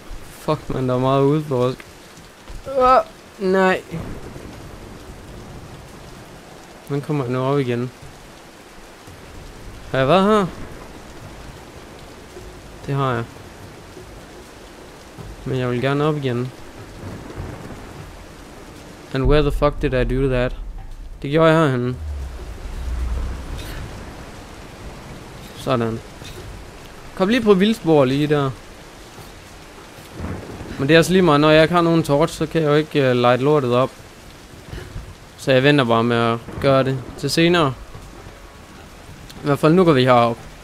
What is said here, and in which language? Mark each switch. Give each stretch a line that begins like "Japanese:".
Danish: Fuck, man, der er meget ude på os. Nej. Hvordan kommer jeg nu op igen? Har jeg været her? Det har jeg. Men jeg vil gerne op igen.
English: And where the fuck did I do that?
Danish: Det gjorde jeg herhenne. Sådan. Kom lige på vildspor lige der. Men det er altså lige meget, når jeg ikke har nogen torch, så kan jeg jo ikke light lortet op. Så jeg venter bare med at gøre det til senere. I hvert fald nu går vi herop.